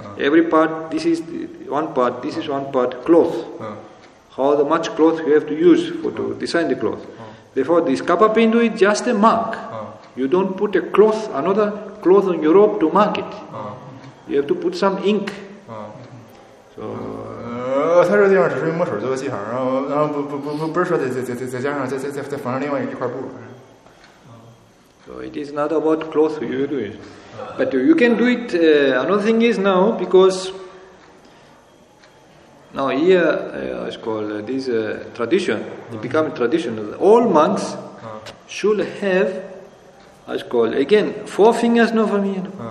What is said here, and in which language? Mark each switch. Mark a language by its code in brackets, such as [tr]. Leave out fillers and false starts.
[en] Every part this is one part, this is one part cloth. How the much cloth you have to use for to design the cloth. Therefore this kapha pindu is just a mark. You don't put a cloth, another cloth on your rope to mark it. You have to put some ink. So, [zh] 他这个地方只是用墨水做个记号，然后不是说再加上再缝上另外一块布。 [en] So it is not about cloth you do it, but you can do it. Another thing is now because now here it's called this tradition. It become a tradition. All monks should have, it's called again four fingers. No, for me.